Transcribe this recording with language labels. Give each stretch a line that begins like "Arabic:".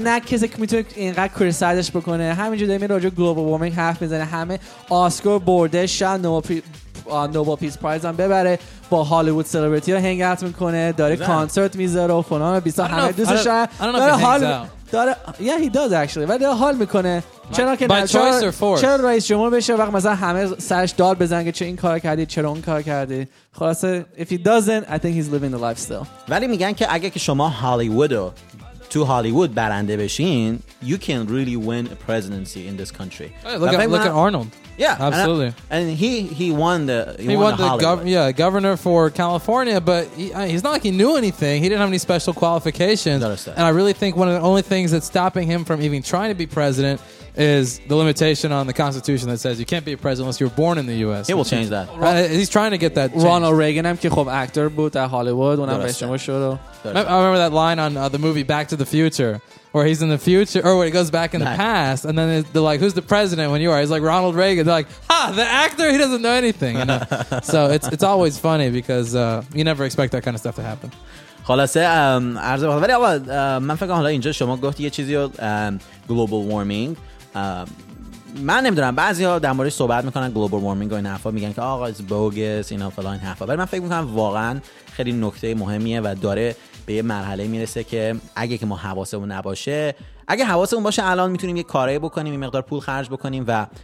Persian: نه کسی که میتونه اینقدر کریتیسایزش بکنه. همینجوری داریم راجع به گلوبال وارمینگ حرف میزنه، همه آسکار برده شب نوبل پیس پرایز هم ببره، با هالیوود سلبریتی ها هنگ اوت میکنه، داره کانسرت میذاره و فلان و بیسا، همه دوستش داره حال داره.
English: Yeah, he does actually.
Persian: ولی داره حال میکنه چرا که
English: by choice or force.
Persian: چرا رئیس جمهور بشه وقت مثلا همه سرش دار بزنن که چه این کار کردی چرا اون کار کردی. خلاصه
English: if he doesn't I think he's living the life still.
Persian: ولی میگن که اگه که شما هالیوودو تو هالیوود برنده بشین
English: you can really win a presidency in this country. Look at Arnold. Yeah, absolutely. And he won the governor for California, but he's not like he knew anything. He didn't have any special qualifications. And I really think one of the only things that's stopping him from even trying to be president is the limitation on the Constitution that says you can't be a president unless you're born in the U.S. He will change that. He's trying to get that changed. Ronald Reagan, I'm an actor at Hollywood. I remember that line on the movie Back to the Future. Where he's in the future, or where he goes back in the past, and then they're like, "Who's the president when you are?" He's like Ronald Reagan. They're like, "Ha, the actor. He doesn't know anything." You know? So it's always funny because you never expect that kind of stuff to happen.
Persian: خلاصه عرض بخدا، ولی اول من فکر کنم حالا اینجا شما گفت یه چیزی رو گلوبال وارمینگ، من نمیدونم، بعضیا در موردش صحبت میکنن گلوبال وارمینگ و این حرفا، میگن که آقا از بوگس اینا فلان این حرفا، ولی من فکر میکنم واقعا خیلی نکته مهمیه و داره به یه مرحله میرسه که اگه که ما حواسمون نباشه، اگه حواسمون باشه الان میتونیم یه کارایی بکنیم، یه مقدار پول خرج بکنیم و